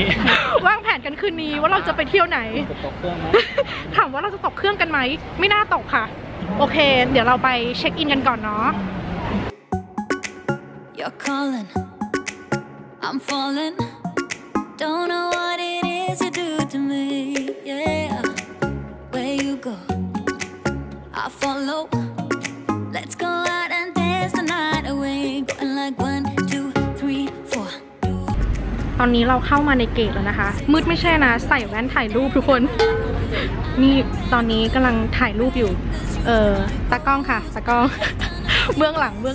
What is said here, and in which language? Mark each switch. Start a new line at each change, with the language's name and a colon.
Thai: วางแผนกันคืนนี้ว่าเราจะไปเที่ยวไหนถามว่าเราจะตกเครื่องกันไหมไม่น่าตกค่ะโอเคเดี๋ยวเราไปเช็คอินกันก่อนเนาะ
English: You're calling, I'm falling. Don't know what it is you do to me. Yeah, where you go, I follow. Let's go out and dance the night away. Going like 1, 2, 3, 4.
Thai: ตอนนี้เราเข้ามาในเกตแล้วนะคะมืดไม่ใช่นะใส่แว่นถ่ายรูปทุกคนนี่ตอนนี้กำลังถ่ายรูปอยู่ตากล้องค่ะตากล้องเบื้องหลัง